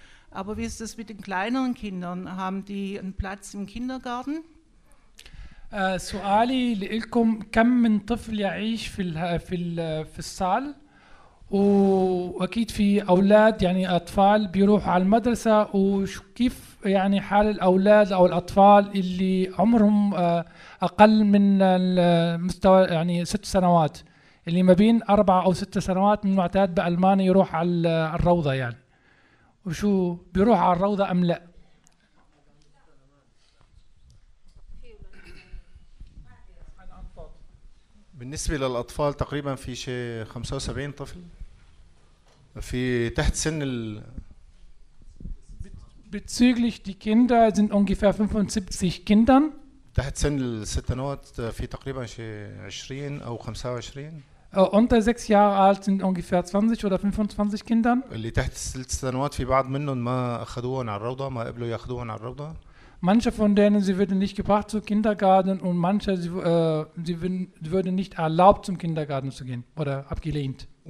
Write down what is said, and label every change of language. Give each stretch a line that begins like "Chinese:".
German: Aber wie ist das mit den kleineren Kindern? Haben die einen Platz im Kindergarten?
Arabic: سؤالي لكم كم من طفل يعيش في في في السال واكيد في اولاد يعني اطفال بيروحوا على المدرسه وكيف يعني حال الاولاد او الاطفال اللي عمرهم اقل من المستوى يعني 6 سنوات اللي ما بين 4 او 6 سنوات من المعتاد بالمانيا يروح على الروضه يعني وشو بيروح على الروضه ام لا بالنسبة للأطفال تقريبا في شيء 75 طفل في تحت سن ال
German: bezüglich die Kinder sind ungefähr 75 Kindern
Arabic: تحت سن السنوات في تقريبا شيء 20 أو 25
German: unter 6 Jahre alt sind ungefähr 20 oder 25 Kindern
Arabic: اللي تحت السنوات في بعض منهم ما أخذوهم على الروضة ما قبلوا ياخذوهم على الروضة
German: Manche von denen, sie würden nicht gebracht zum Kindergarten und manche, sie würden nicht erlaubt zum Kindergarten zu gehen oder abgelehnt.